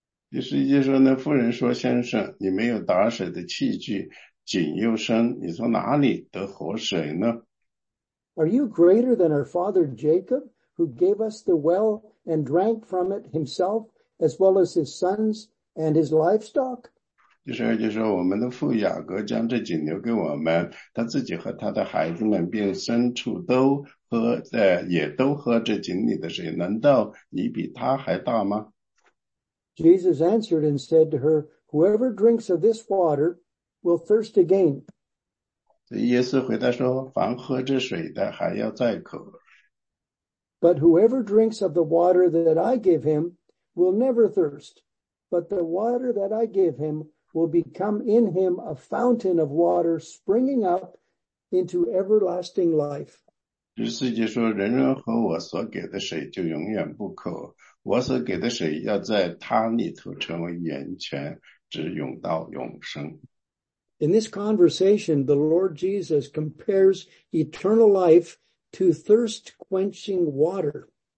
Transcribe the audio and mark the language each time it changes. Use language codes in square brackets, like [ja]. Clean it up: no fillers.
[zh] 第十节说呢，妇人说，先生，你没有打水的器具，井又深，你从哪里得活水呢？ [en] Are you greater than our father Jacob, who gave us the well and drank from it himself, as well as his sons and his livestock? [zh] 第十二节说，我们的父雅各将这井留给我们，他自己和他的孩子们并牲畜都喝，也都喝这井里的水，难道你比他还大吗？ [en] Jesus answered and said to her, Whoever drinks of this water will thirst again. [zh] 耶稣回答说，凡喝这水的还要再渴。 [en] But whoever drinks of the water that I give him will never thirst, but the water that I give him will become in him a fountain of water springing up into everlasting life. [zh] 第四节说，人人喝我所给的水就永远不渴，我所给的水要在他里头成为源泉，直涌到永生。 [en] In this conversation, the Lord Jesus compares eternal life to thirst-quenching water.